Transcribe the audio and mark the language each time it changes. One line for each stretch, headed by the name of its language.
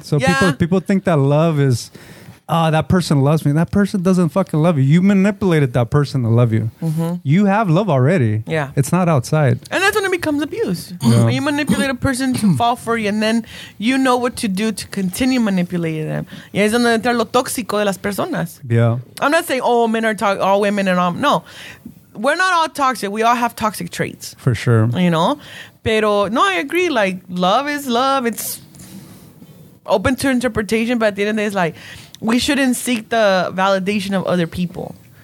English: So people think that love is, that person loves me. That person doesn't fucking love you. You manipulated that person to love you. Mm-hmm. You have love already. Yeah. It's not outside. And that's when it becomes abuse. Yeah. You manipulate a person to fall for you, and then you know what to do to continue manipulating them.
Spanish: Yeah, es donde entra lo tóxico de las personas.
English: Yeah. I'm not saying men are all women and all. No. We're not all toxic. We all have toxic traits. For sure. You know?
Spanish: Pero, no,
English: I agree. Like, love is love. It's open to interpretation. But at the end of the day, it's like, we shouldn't seek the validation of other people.